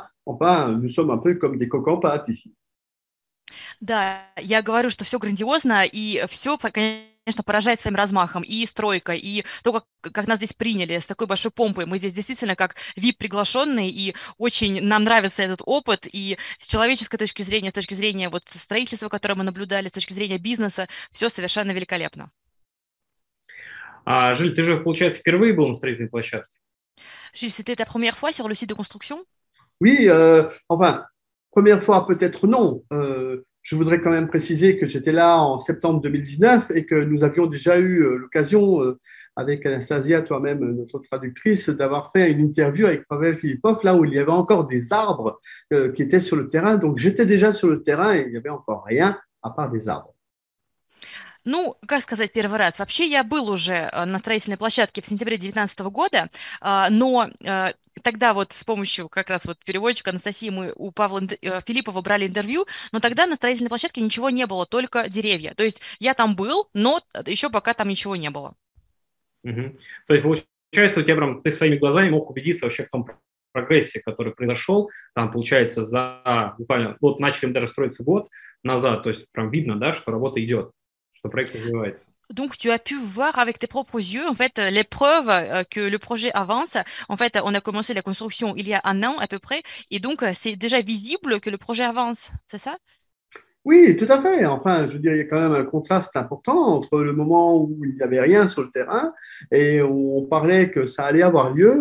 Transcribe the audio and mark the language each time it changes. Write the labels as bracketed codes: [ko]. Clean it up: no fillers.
[fr] Enfin, nous sommes un peu comme des cocos en pâte ici. [ru] Да, я говорю, что все грандиозно, и все, конечно, поражает своим размахом. И стройка, и то, как нас здесь приняли с такой большой помпой. Мы здесь действительно как VIP-приглашенные, и очень нам нравится этот опыт. И с человеческой точки зрения, с точки зрения вот строительства, которое мы наблюдали, с точки зрения бизнеса, все совершенно великолепно. А, Жиль, ты же, получается, впервые был на строительной площадке? [fr] C'était ta première fois sur le site de construction? Oui, enfin, première fois peut-être non. Je voudrais quand même préciser que j'étais là en septembre 2019 et que nous avions déjà eu l'occasion, avec Anastasia, toi-même, notre traductrice, d'avoir fait une interview avec Pavel Filipov, là où il y avait encore des arbres, qui étaient sur le terrain. Donc j'étais déjà sur le terrain et il n'y avait encore rien à part des arbres. [ru] Ну, как сказать, первый раз. Вообще, я был уже на строительной площадке в сентябре 2019 года, но тогда вот с помощью как раз вот переводчика Анастасии мы у Павла Филиппова брали интервью, но тогда на строительной площадке ничего не было, только деревья. То есть я там был, но еще пока там ничего не было. То есть получается, у тебя прям ты своими глазами мог убедиться вообще в том прогрессе, который произошел. Там получается за буквально вот начали мы даже строиться год назад. То есть прям видно, да, что работа идет, что проект развивается. [fr] Donc, tu as pu voir avec tes propres yeux, en fait, les preuves que le projet avance. En fait, on a commencé la construction il y a un an à peu près, et donc, c'est déjà visible que le projet avance, c'est ça? Oui, tout à fait. Enfin, je veux dire, il y a quand même un contraste important entre le moment où il n'y avait rien sur le terrain et où on parlait que ça allait avoir lieu.